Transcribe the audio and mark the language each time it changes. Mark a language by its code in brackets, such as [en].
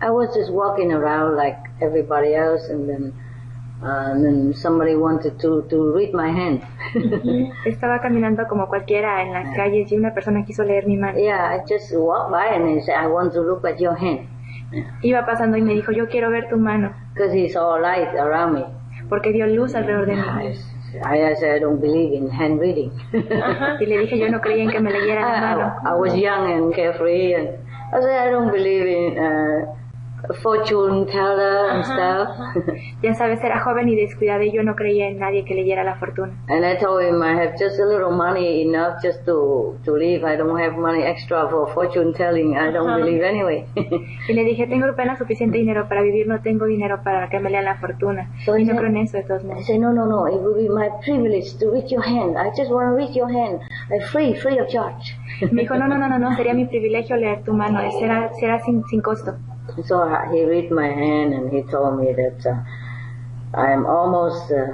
[en] I was just walking around like everybody else and then somebody wanted to read my hand. [es] Estaba caminando como cualquiera en las calles y una persona quiso leer mi mano. [en] Yeah, I just walked by and he said, I want to look at your hand. [es] Iba pasando y me dijo, yo quiero ver tu mano. [en] Because he saw light around me. [es] Porque vio luz alrededor de mí. [en] I said, I don't believe in hand reading. [es] Y le dije, yo no creía en que me leyera la mano. [en] I was young and carefree. And I said, I don't believe in fortune teller and stuff. [es] Ya sabes, era joven y descuidado y yo no creía en nadie que leyera la fortuna. [en] And I told him I have just a little money enough just to live. I don't have money extra for fortune telling. I don't believe anyway. [es] Y le dije, tengo apenas suficiente dinero para vivir, no tengo dinero para que me lean la fortuna. So y no creo en eso de todos modos. [en] I said, no, it will be my privilege to reach your hand. I just want to reach your hand. Free of charge. [es] Me dijo, no, sería mi privilegio leer tu mano. Será sin costo. [en] So he read my hand and he told me that I am almost